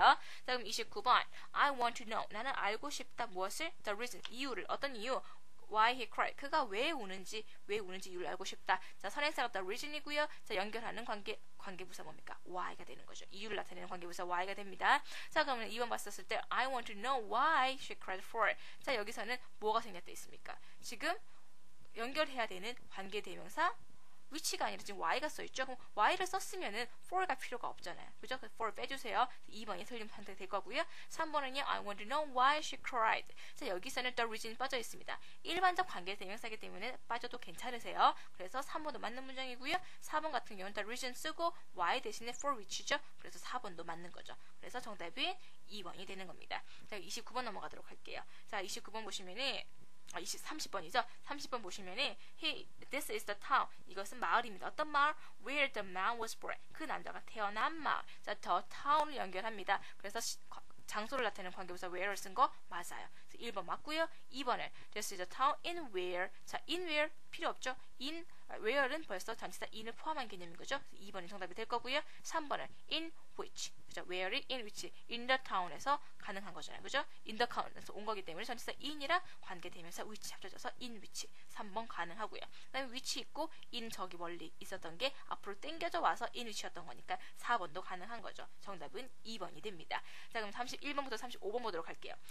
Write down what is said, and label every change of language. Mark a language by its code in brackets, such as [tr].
[ko] 자, 그럼 29번 [en] I want to know [ko] 나는 알고 싶다 무엇을? [en] The reason [ko] 이유를 어떤 이유? [en] Why he cried? [ko] 그가 왜 우는지 이유를 알고 싶다. 자, 선행사가 the reason이고요. 자, 연결하는 관계부사 뭡니까? Why가 되는 거죠. 이유를 나타내는 관계부사 why가 됩니다. 자, 그러면 2번 봤었을 때 [en] I want to know why she cried for. [ko] 자, 여기서는 뭐가 생겼다 있습니까? 지금 연결해야 되는 관계대명사 which가 아니라 지금 why가 써있죠. 그럼 why를 썼으면은 for가 필요가 없잖아요. 그죠? 그래서 for 빼주세요. 2번이 틀린 선택이 될 거고요. 3번은요. [en] I want to know why she cried. [ko] 자, 여기서는 the reason 빠져있습니다. 일반적 관계대명사이기 때문에 빠져도 괜찮으세요. 그래서 3번도 맞는 문장이고요. 4번 같은 경우는 the reason 쓰고 why 대신에 for which죠. 그래서 4번도 맞는 거죠. 그래서 정답은 2번이 되는 겁니다. 자, 29번 넘어가도록 할게요. 자, 29번 보시면은 30번 보시면은 [en] this is the town. [ko] 이것은 마을입니다. 어떤 마을? [en] Where the man was born. [ko] 그 남자가 태어난 마을. 자, the town을 연결합니다. 그래서 장소를 나타내는 관계부사 where를 쓴 거 맞아요. 그래서 1번 맞고요. 2번은 [en] this is the town in where. [ko] 자, in where 필요 없죠. in where는 벌써 전치사 in을 포함한 개념인 거죠. 2번이 정답이 될 거고요. 3번은 in which. 그죠? where in which [en] in the town [ko] 에서 가능한 거잖아요. 그죠? in the town에서 온 거기 때문에 전치사 in이랑 관계대명사 which 합쳐져서 in which 3번 가능하고요. 그다음에 which 있고 in 저기 멀리 있었던 게 앞으로 땡겨져 와서 in which였던 거니까 4번도 가능한 거죠. 정답은 2번이 됩니다. 자, 그럼 31번부터 35번 보도록 할게요.